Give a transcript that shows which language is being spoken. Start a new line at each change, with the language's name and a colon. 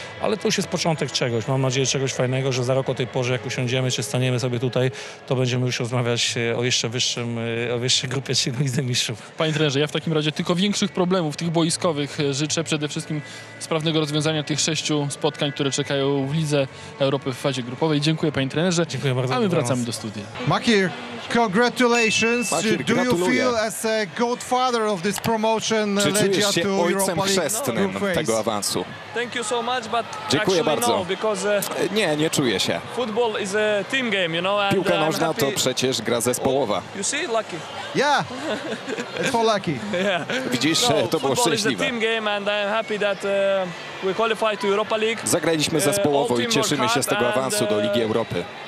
Polish: Ale to już jest początek czegoś. Mam nadzieję, czegoś fajnego, że za rok o tej porze, jak usiądziemy, czy staniemy sobie tutaj, to będziemy już rozmawiać o jeszcze wyższym, o jeszcze grupie Lidze Mistrzów. Panie trenerze, ja w takim razie tylko większych problemów, tych boiskowych, życzę przede wszystkim sprawnego rozwiązania tych 6 spotkań, które czekają w Lidze Europy w fazie grupowej. Dziękuję, panie trenerze. Dziękuję bardzo. A my wracamy do studia.
English: Makir, congratulations. Do you feel as a godfather of this promotion Legia to Europa League?
Polish: Czy czujesz się ojcem chrzestnym tego awansu?
English: Thank you so much, but actually no, because
Polish: nie, nie czuję się.
English: Football is a team game, you know, and
Polish: piłka nożna to przecież gra zespołowa.
English: Oh, you see, lucky. Yeah. It's for lucky. Yeah.
Polish: Widzisz, no, to było szczęśliwe.
English: Football is a team game and I'm happy that we qualify to Europa League.
Polish: Zagraliśmy zespołowo i cieszymy się z tego awansu do Ligi Europy.